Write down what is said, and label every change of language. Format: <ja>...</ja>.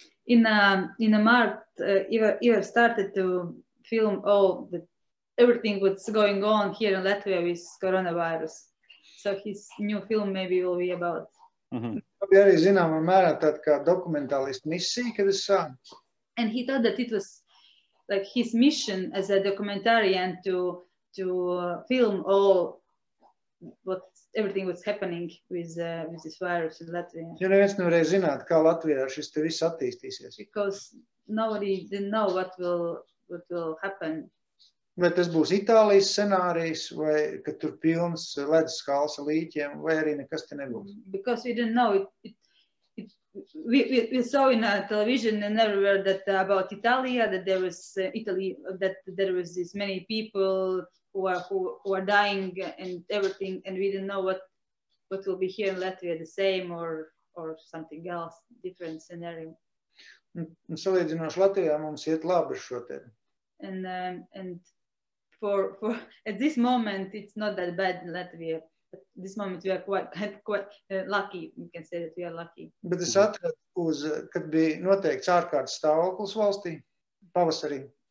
<en>In a March, Ivar started to film all the everything what's going on here in Latvia with coronavirus. So his new film maybe will be about. Mm-hmm.</en> <lv>Arī zināmā mērā tad kā dokumentālistu misija, kad es sāku.</lv> <en>And he thought that it was like his mission as a documentarian to film all what everything was happening with this virus in Latvia.</en> <lv>Ja neviens nevarēja zināt, kā Latvijā šis te viss attīstīsies.</lv> <en>Because nobody didn't know what will happen.</en> <lv>Vai tas būs Itālijas scenārijs, vai ka tur pilns ledus skals ar līķiem, vai arī nekas te nebūs.</lv> <en>Because we didn't know we saw in a television and everywhere that about Italia that there was Italy that there was this many people who are dying and everything and we didn't know what will be here in Latvia the same or something else different scenario.</en> <lv>Salīdzinoši Latvijā mums iet labi šo te.</lv> <en>And for at this moment it's not that bad in Latvia. At this moment we are quite lucky, we can say that we are lucky.</en> <lv>Bet es atradu, kad bija noteikts ārkārtas stāvoklis valstī, pavasarī.</lv>